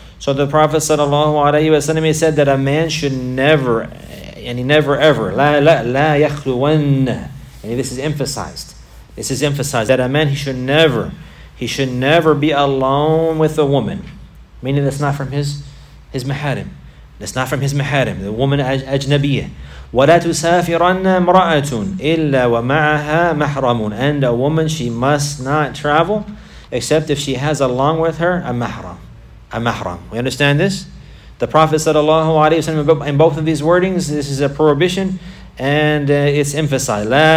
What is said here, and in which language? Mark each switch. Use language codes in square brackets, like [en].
[en] So the Prophet sallallahu alayhi wasallam, he said that a man should never, and he never ever, [ar] لا يخلون, [en] and this is emphasized. This is emphasized that a man, he should never be alone with a woman. Meaning that's not from his maharim. That's not from his maharim. The woman ajnabiyya. [ar] ولا تسافرن امرأة إلا ومعها محرم. [en] And a woman, she must not travel except if she has along with her a mahram. A mahram. We understand this? The Prophet sallallahu alayhi wa sallam, in both of these wordings, this is a prohibition and it's emphasized.